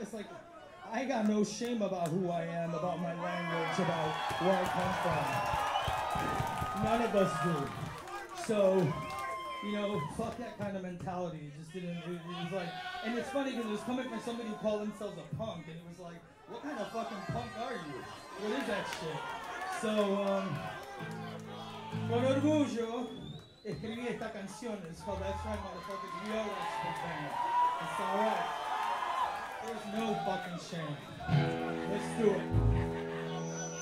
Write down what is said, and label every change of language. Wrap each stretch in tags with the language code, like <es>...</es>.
<en>It's like, I got no shame about who I am, about my language, about where I come from. None of us do. So, you know, fuck that kind of mentality. It just didn't, it was like, and it's funny because it was coming from somebody who called themselves a punk, and it was like, what kind of fucking punk are you? What is that shit?</en> <es>So, con orgullo, escribí esta canción.</es> <en>It's called That's Right, Motherfuckers. We all want to be famous. It's alright. There's no fucking shame. Let's do it.</en>